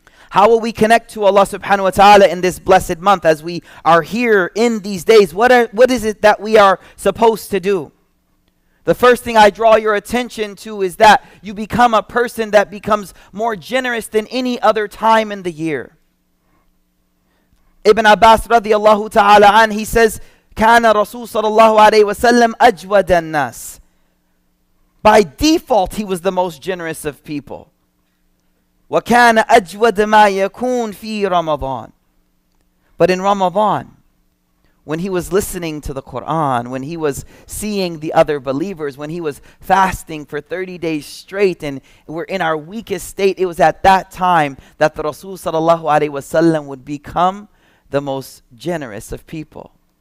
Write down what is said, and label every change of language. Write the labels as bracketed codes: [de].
[en] How will we connect to Allah subhanahu wa ta'ala in this blessed month as we are here in these days? What is it that we are supposed to do? The first thing I draw your attention to is that you become a person that becomes more generous than any other time in the year. [ar] Ibn Abbas radiallahu ta'ala an, [en] he says, [ar] كَانَ رَسُولُ صَلَى اللَّهُ عَلَيْهِ وَسَلَّمْ أَجْوَدَ النَّاسِ. [en] By default, he was the most generous of people. [ar] وَكَانَ أَجْوَدَ مَا يَكُونَ فِي رَمَضَانِ. [en] But in Ramadan, when he was listening to the Quran, when he was seeing the other believers, when he was fasting for 30 days straight and we're in our weakest state, it was at that time that the Rasul sallallahu alayhi wasallam would become the most generous of people.